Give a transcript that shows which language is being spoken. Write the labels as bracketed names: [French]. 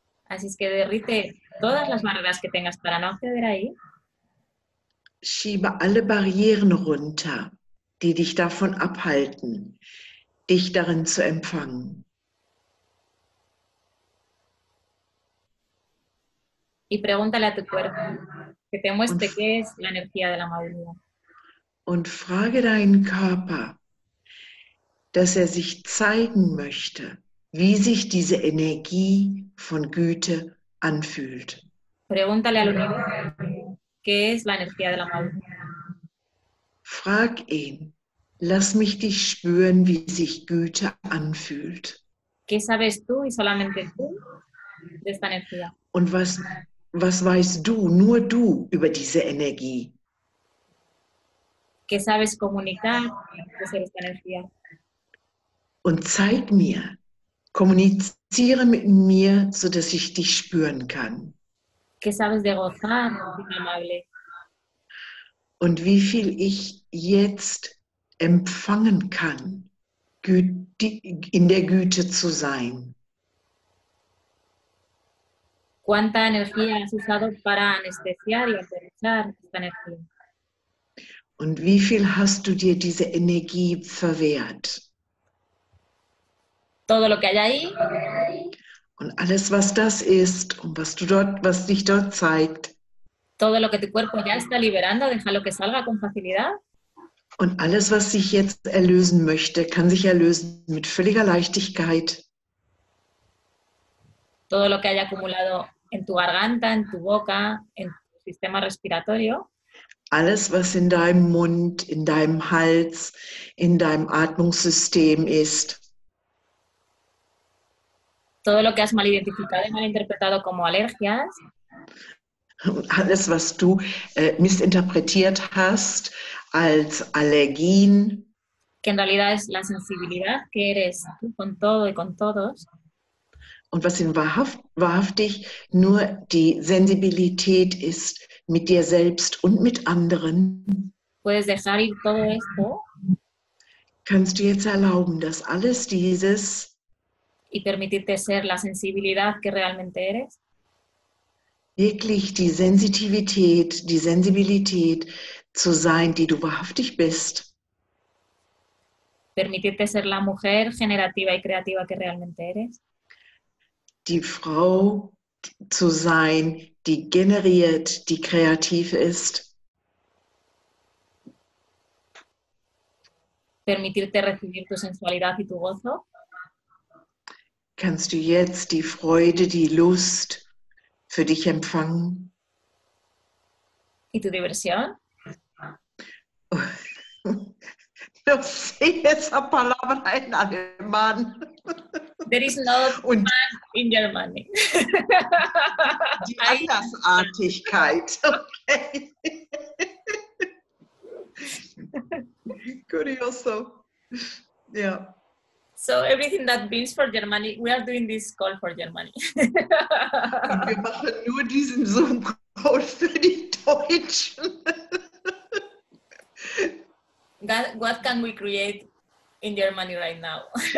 [Spanish] Así es que derrite todas las barreras que tengas para no acceder ahí. [German] Schiebe alle Barrieren runter, die dich davon abhalten, dich darin zu empfangen. [Spanish] Y pregúntale a tu cuerpo que te muestre qué es la energía de la amabilidad. [German] Und frage deinen Körper, dass er sich zeigen möchte, wie sich diese Energie von Güte anfühlt. [Spanish] Pregúntale al universo qué es la energía de la amabilidad. [German] Frag ihn, lass mich dich spüren, wie sich Güte anfühlt. [Spanish] ¿Qué sabes tú y solamente tú de esta energía? [German] Und was weißt du, nur du, über diese Energie? [Spanish] ¿Qué sabes comunicar de esta energía? [German] Und zeig mir, kommuniziere mit mir, sodass ich dich spüren kann. [Spanish] ¿Qué sabes de gozar, amable? [German] Und wie viel ich jetzt empfangen kann, in der Güte zu sein. [Spanish] ¿Cuánta energía has usado para anestesiar y aterrizar esta energía? [German] Und wie viel hast du dir diese Energie verwehrt? [Spanish] Todo lo que hay ahí. [German] Und alles, was das ist und was dich dort zeigt. [Spanish] Todo lo que tu cuerpo ya está liberando, déjalo que salga con facilidad. [German] Und alles, was sich jetzt erlösen möchte, kann sich erlösen mit völliger Leichtigkeit. [Spanish] Todo lo que haya acumulado en tu garganta, en tu boca, en tu sistema respiratorio. [German] Alles, was in deinem Mund, in deinem Hals, in deinem Atmungssystem ist. [Spanish] Todo lo que has mal identificado y mal interpretado como alergias. [German] Alles, was du missinterpretiert hast als Allergien. [Spanish] Que en realidad es la sensibilidad que eres tú con todo y con todos. [German] Und was in wahrhaftig nur die Sensibilität ist mit dir selbst und mit anderen. [Spanish] Puedes dejar ir todo esto. [German] Kannst du jetzt erlauben, dass alles dieses [Spanish] y permitirte ser la sensibilidad que realmente eres. [German] Wirklich die Sensitivität, die Sensibilität zu sein, die du wahrhaftig bist. [Spanish] Permitirte ser la mujer generativa y creativa que realmente eres. [German] Die Frau zu sein, die generiert, die kreativ ist. [Spanish] Permitirte recibir tu sensualidad y tu gozo. [German] Kannst du jetzt die Freude, die Lust für dich empfangen? [Spanish] Y tu diversión? No sé esa palabra en alemán. [English] There is no fun in Germany. [German] Die Andersartigkeit. Okay. [Spanish] Curioso. Yeah. [English] So everything that means for Germany, we are doing this call for Germany. [German] Wir machen nur diesen Zoom-Call für die Deutschen. [English] What can we create in Germany right now?